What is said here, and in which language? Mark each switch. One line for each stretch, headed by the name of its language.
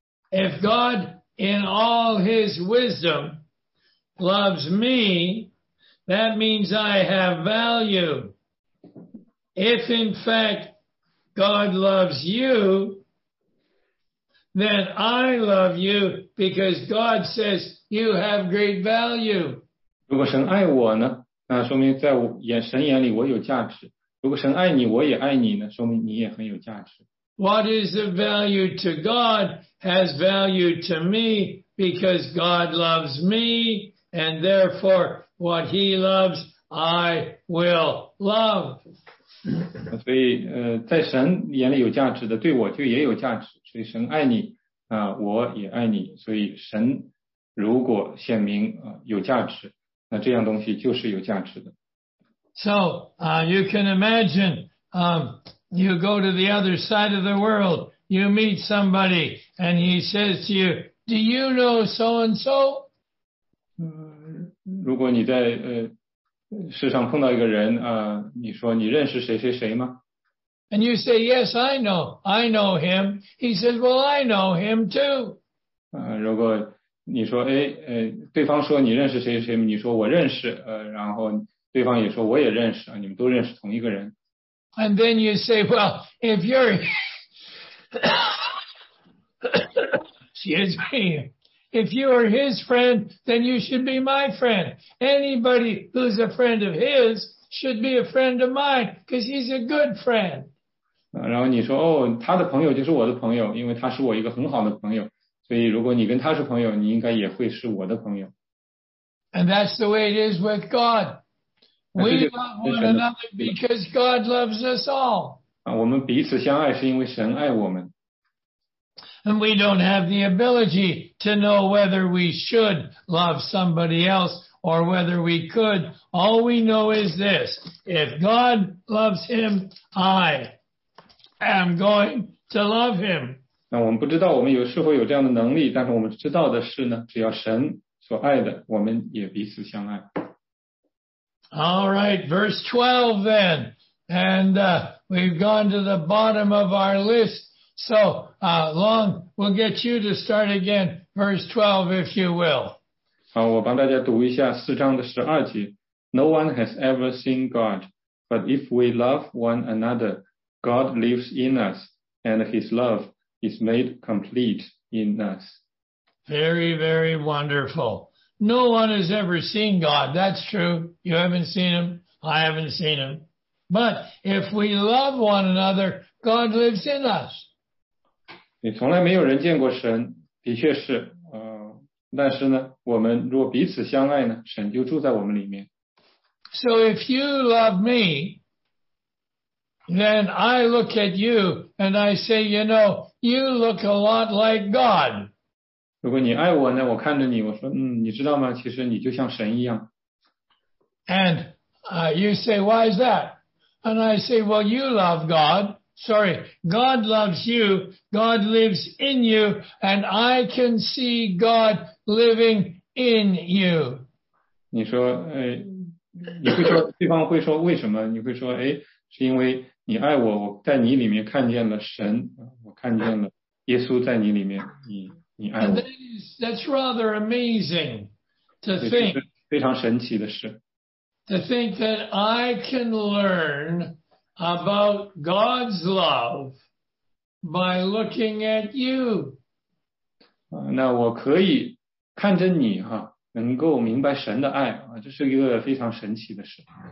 English: If God in all his wisdom loves me, that means I have value. If in fact God loves you, then I love you because God says you have great value.
Chinese: 如果神爱我呢，那说明在神眼里我有价值。如果神爱你，我也爱你呢，说明你也很有价值。
English: What is of value to God has value to me because God loves me, and therefore what He loves, I will love.
Chinese: 所以，在神眼里有价值的，对我就也有价值。所以神爱你，我也爱你。所以神如果显明有价值，那这样东西就是有价值的。
English: So, you can imagine, you go to the other side of the world, you meet somebody, and he says to you, do you know so-and-so?
Chinese: 如果你在世上碰到一个人，你说你认识谁谁谁吗？
English: And you say, yes, I know him. He says, well, I know him too.
Chinese: 如果你说，对方说你认识谁谁，你说我认识，然后对方也说我也认识，你们都认识同一个人。
English: And then you say, well, if you're, excuse me, if you are his friend, then you should be my friend. Anybody who's a friend of his should be a friend of mine, because he's a good friend.
Chinese: 然后你说，哦，他的朋友就是我的朋友，因为他是我一个很好的朋友。所以如果你跟他是朋友，你应该也会是我的朋友。
English: And that's the way it is with God. We love one another because God loves us all.
Chinese: 我们彼此相爱是因为神爱我们。
English: And we don't have the ability to know whether we should love somebody else or whether we could. All we know is this. If God loves him, I am going to love him.
Chinese: 那我们不知道我们有是否有这样的能力，但是我们知道的是呢，只要神所爱的，我们也彼此相爱。
English: All right, verse 12 then. And we've gone to the bottom of our list. So, Long, we'll get you to start again. Verse 12, if you will.
Chinese: 好，我帮大家读一下四章的十二节。
English: No one has ever seen God, but if we love one another, God lives in us, and his love is made complete in us. Very, very wonderful. No one has ever seen God. That's true. You haven't seen him. I haven't seen him. But if we love one another, God lives in us.
Chinese: 你从来没有人见过神，的确是，但是呢，我们如果彼此相爱呢，神就住在我们里面。
English: So if you love me, then I look at you and I say, you know, you look a lot like God.
Chinese: 如果你爱我呢，我看着你，我说，嗯，你知道吗？其实你就像神一样。
English: And you say, why is that? And I say, well, you love God. Sorry, God loves you. God lives in you. And I can see God living in you.
Chinese: 你说，你会说，对方会说为什么？你会说，哎，是因为你爱我，我在你里面看见了神，我看见了耶稣在你里面，你爱我。
English: And that's rather amazing to think.
Chinese: 非常神奇的事。
English: To think that I can learn about God's love by looking at you.
Chinese: 那我可以看着你哈，能够明白神的爱啊，这是一个非常神奇的事。